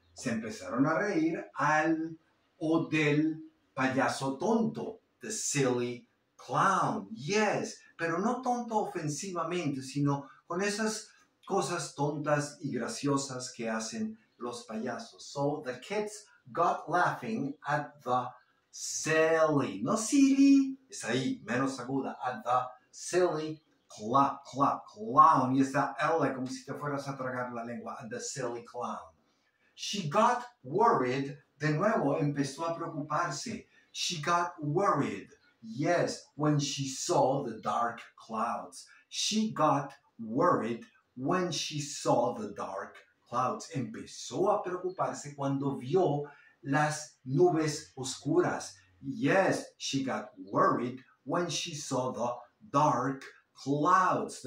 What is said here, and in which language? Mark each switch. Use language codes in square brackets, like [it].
[es] Se empezaron a reír al o del payaso tonto. [en] The silly clown. Yes, [es] pero no tonto ofensivamente, sino con esas cosas tontas y graciosas que hacen los payasos. [en] So the kids got laughing at the silly. [es] No silly, es ahí, menos aguda. [en] At the silly clown. [es] Y esa L, como si te fueras a tragar la lengua. [en] At the silly clown. She got worried. [es] De nuevo, empezó a preocuparse. [en] She got worried. Yes, when she saw the dark clouds. She got worried when she saw the dark clouds. [es] Empezó a preocuparse cuando vio las nubes oscuras. [en] Yes, she got worried when she saw the dark clouds.